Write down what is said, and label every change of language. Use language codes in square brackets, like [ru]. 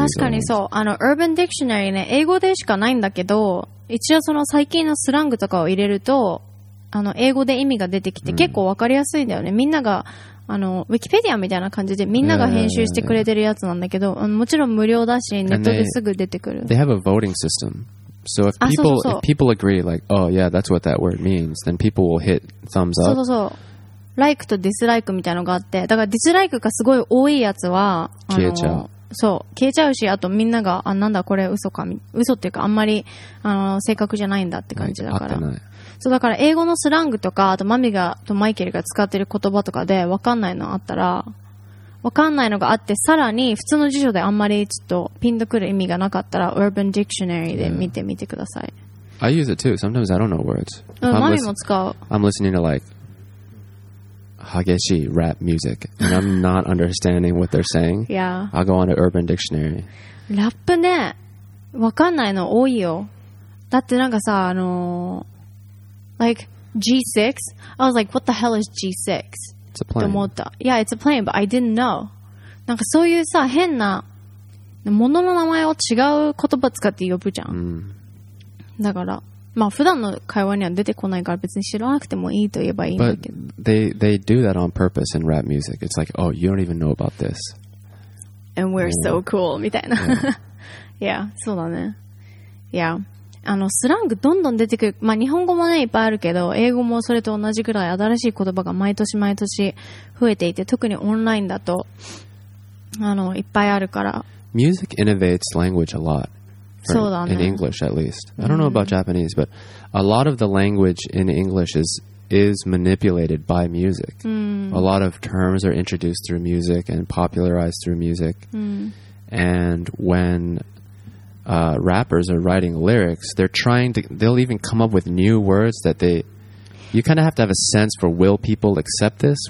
[en] these other ones. [ja] 確かにそう。あの、Urban Dictionary ね、英語でしかないんだけど、一応その最近のスラングとかを入れると、あの、英語で意味が出てきて、結構わかりやすいんだよね。みんなが、あの、ウィキペディアみたいな感じでみんなが編集してくれてるやつなんだけど、 [en] yeah, yeah, yeah. [ja] もちろん無料だし、ネットですぐ出てくる。 [en] They have a voting system. So if people, [ja] そうそうそう [en] if people agree, like, oh yeah, that's what that word means, then people will hit thumbs up. [ja] そうそうそう。Like と dislike みたいなのがあって、だから dislike がすごい多いやつは、消えちゃう。そう、消えちゃうし、あとみんなが、あ、なんだこれ嘘か、嘘っていうかあんまり、あの、正確じゃないんだって感じだから。 [en] Like, [ja] そうだから英語のスラングとかあとマミがとマイケルが使ってる言葉とかで分かんないのあったら分かんないのがあってさらに普通の辞書であんまりちょっとピンとくる意味がなかったら Urban Dictionary で見てみてください、 [en] yeah. I use it too. Sometimes I don't know words. [ja] マミも使う。 [en] I'm listening to like [ja] 激しい [en] rap music and I'm not understanding what they're saying. Yeah. I'll go on to Urban Dictionary. [ja] ラップね分かんないの多いよ。だってなんかさ [en] Like G6, I was like, what the hell is G6? It's a plane. Yeah, it's a plane, but I didn't know. [ja] なんかそういうさ、変な、ものの名前を違う言葉使って呼ぶじゃん。だから、まあ普段の会話には出てこないから別に知らなくてもいいと言えばいいんだけど。 [en] But they do that on purpose in rap music. It's like, oh, you don't even know about this. And we're so cool, みたいな。Yeah, [ja] そうだね。 [en] Yeah. [ja] あのスラングどんどん出てくる、まあ、日本語もねいっぱいあるけど英語もそれと同じくらい新しい言葉が毎年毎年増えていて特にオンラインだとあのいっぱいあるから [en] Music innovates language a lot [ja] for, そうだね [en] In English at least I don't know about Japanese but a lot of the language in English is manipulated by music A lot of terms are introduced through music and popularized through music And whenrappers are writing lyrics, they're trying to, they'll even come up with new words that they, you kind of have to have a sense for will people accept this?